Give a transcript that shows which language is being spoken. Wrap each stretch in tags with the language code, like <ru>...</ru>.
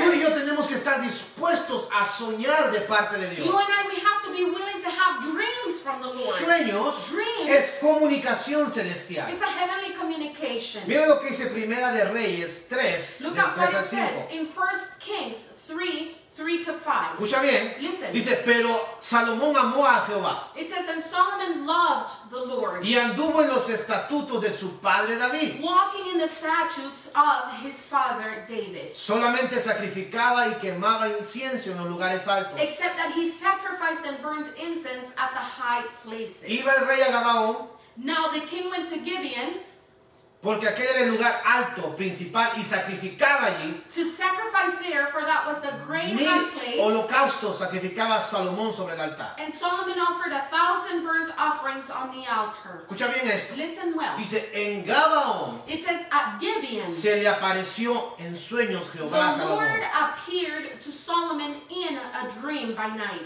<es>Tú y yo tenemos que estar dispuestos a soñar de parte de Dios.</es> <en>You and I, we have to be willing to have dreams from the Lord.</en> <es>Sueños.</es> <en>Dreams.</en> <es>Es comunicación celestial.</es> <en>It's a heavenly communication.</en> <es>Mira lo que dice Primera de Reyes 3.</es> <en>Look at what it says in 1 Kings 3:3-5.</en> <es>Escucha bien.</es> <en>Listen.</en> <es>Dice, pero Salomón amó a Jehová.</es> <en>It says, and Solomon loved the Lord.</en> <es>Y anduvo en los estatutos de su padre David.</es> <en>Walking in the statutes of his father David.</en> <es>Solamente sacrificaba y quemaba incienso en los lugares altos.</es> <en>Except that he sacrificed and burned incense at the high places.</en> <es>Iba el rey a Gabaón.</es> <en>Now the king went to Gibeon.</en> <es>Porque aquel era el lugar alto, principal, y sacrificaba allí.</es> <en>To sacrifice there, for that was the great high place.</en> <es>Holocausto sacrificaba a Salomón sobre el altar.</es> <en>And Solomon offered 1,000 burnt offerings on the altar.</en> <es>Escucha bien esto.</es> <en>Listen well.</en> <es>Dice, en Gabaón.</es> <en>It says, at Gibeon.</en> <es>Se le apareció en sueños Jehová a Salomón.</es> <en>The Lord appeared to Solomon in a dream by night.</en>